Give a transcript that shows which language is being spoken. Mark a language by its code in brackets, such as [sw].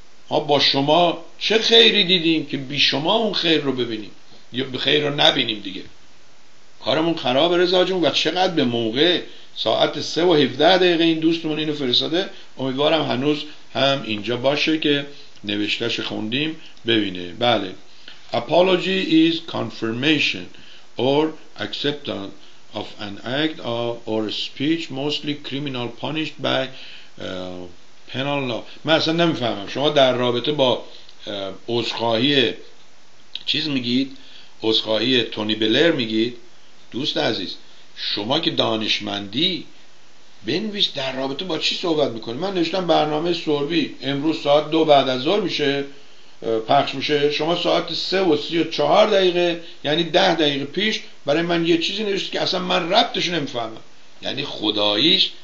[fa] ها با شما چه خیری دیدیم که بی شما اون خیر رو ببینیم یا خیر رو نبینیم دیگه؟ کارمون خراب رضا جون. و چقدر به موقع، ساعت 3:17 این دوستمون اینو فرستاده، امیدوارم هنوز هم اینجا باشه که نوشتش خوندیم ببینه. بله. [en] Apology is confirmation or acceptance of an act or speech mostly criminal punished by penal law. [fa] من اصلا نمیفهمم شما در رابطه با عذرخواهی چیز میگید، عذرخواهی تونی بلر میگید. دوست عزیز شما که دانشمندی، بنویس در رابطه با چی صحبت میکنی. من نوشتم برنامه سربی امروز ساعت 2 بعد از ظهر میشه پخش میشه، شما ساعت 3:34 یعنی 10 دقیقه پیش برای من یه چیزی نوشتی که اصلا من ربطش نمیفهمم. یعنی خداییش